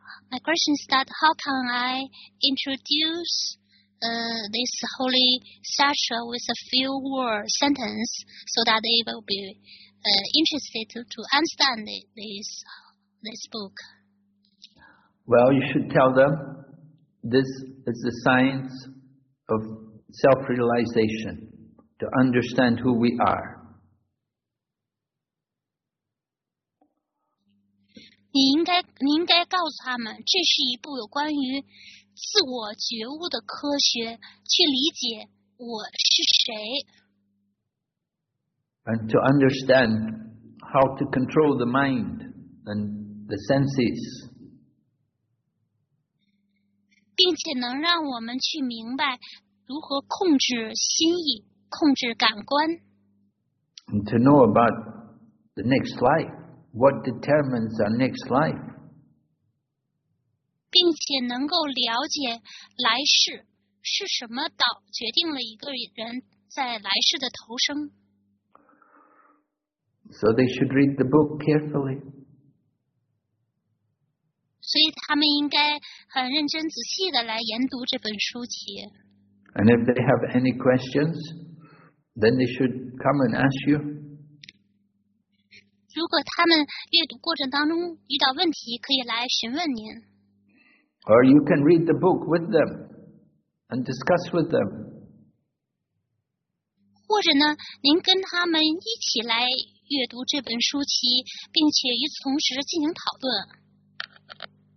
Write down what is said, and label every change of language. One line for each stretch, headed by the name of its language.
English: My question is that how can I introduce this holy sutra with a few word sentence so that they will be interested to understand this book? Well, you should tell them this is the science of self-realization, to understand who we are.
Chinese: 你应该告诉他们，这是一部有关于自我觉悟的科学，去理解我是谁。
English: And to understand how to control the mind and the senses.
Chinese: 并且能让我们去明白如何控制心意，控制感官。
English: And to know about the next life. What determines our next life?
Chinese: 并且能够了解来世是什么导决定了一个人在来世的投生。
English: So they should read the book carefully.
Chinese: 所以他们应该很认真仔细地来研读这本书籍。
English: And if they have any questions, then they should come and ask you.
Chinese: 如果他们阅读过程当中遇到问题，可以来询问您。
English: Or you can read the book with them and discuss with them.
Chinese: 或者呢，您跟他们一起来阅读这本书籍，并且与此同时进行讨论。